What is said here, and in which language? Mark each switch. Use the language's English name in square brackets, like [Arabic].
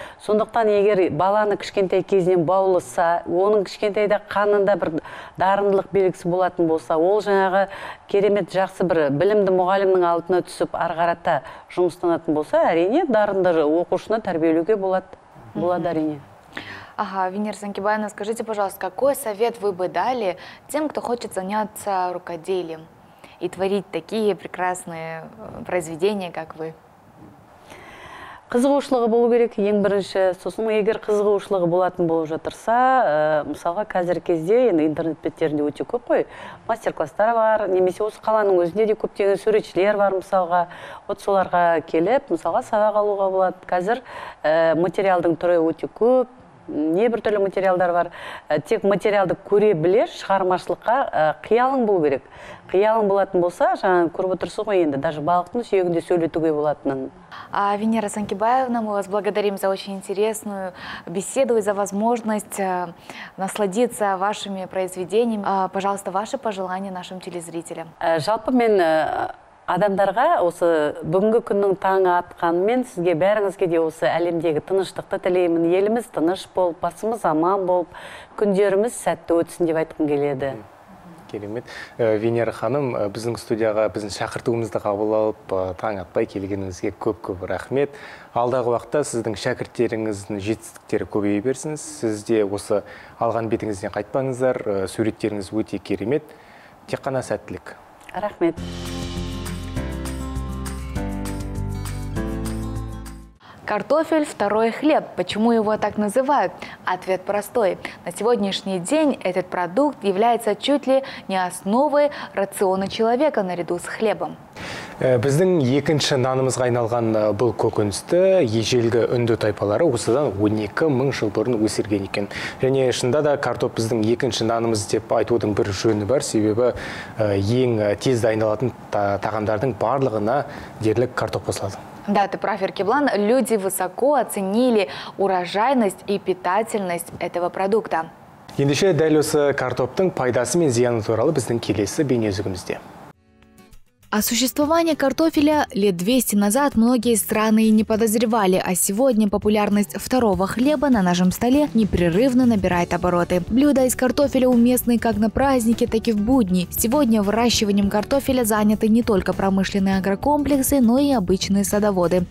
[Kazakh] Сондықтан егер баланы кішкентай кезінен баулыса, оның кішкентайда қанында бір дарындылық белгісі болатын болса, ол жаңағы керемет жақсы бір білімді мұғалімнің алдына түсіп, ары қарата жұмыстанатын болса, әрине дарынды оқушыны тәрбиелеуге болады әрине. [Russian] Ага, Венера Сакибаевна, скажите, пожалуйста, какой совет вы бы дали тем, кто хочет заняться рукоделием и творить такие прекрасные произведения, как вы? [Kazakh] Қызығушылығы болу керек, ең бірінші. Сосын, егер қызығушылығы болатын болу жатырса, мысалға, қазір кезде интернет беттерінде өте көп қой. Мастер-класстар бар, немесе осы қаланың өзінде де көптеген суретшілер бар, мысалға. От соларға келіп, мысалға, сабақ алуға болады. Қазір материалдың түрі өте көп. Не бір түрлі материалдар бар, тек материалды көре білер, шығармашылыққа қиялың болу керек. Қиялың болатын болса, жаңын көріп отырсы ғой енді, даже балықтың сүйегінде сөйлетуге болатынын. [Russian] Венера Сакибаевна, мы вас благодарим за очень интересную беседу и за возможность насладиться вашими произведениями. Пожалуйста, ваши пожелания нашим телезрителям. [Kazakh] Жалпы мен адамдарға осы бүгінгі күннің таңы атқанымен сізге бәріңізге де осы әлемдегі тыныштықты тілеймін. Еліміз тыныш болып, басымыз аман болып, күндеріміз сәтті өтсін деп айтқым келеді. Керемет. Венера ханым, біздің студияға, біздің шақыртуымызды қабыл алып, таң атпай келгеніңізге көп-көп рахмет. Алдағы уақытта сіздің шәкірттеріңіздің жетістіктері көбейе берсін. Сіз де осы алған бетіңізден қайтпаңыздар. Суреттеріңіз өте керемет. Тек қана сәттілік. Рахмет. [Russian] Картофель – второй хлеб. Почему его так называют? Ответ простой. На сегодняшний день этот продукт является чуть ли не основой рациона человека наряду с хлебом. [Kazakh] Біздің екінші нанымызға айналған бұл көкөністі ежелгі үнді тайпалары осыдан 12 мың жыл бұрын өсірген екен. Және шында да картоп біздің екінші нанымыз деп айтудың бір жөні бар, себебі ең тез дайындалатын тағамдардың барлығына дерлік картоп қосылады. [Russian] Да, ты прав, Еркеблан. Люди высоко оценили урожайность и питательность этого продукта. [Kazakh] Ендеше дәл осы картоптың пайдасы мен зияны туралы біздің келесі бейнеөзегімізде. [Russian] О существовании картофеля лет 200 назад многие страны и не подозревали, а сегодня популярность второго хлеба на нашем столе непрерывно набирает обороты. Блюда из картофеля уместны как на праздники, так и в будни. Сегодня выращиванием картофеля заняты не только промышленные агрокомплексы, но и обычные садоводы.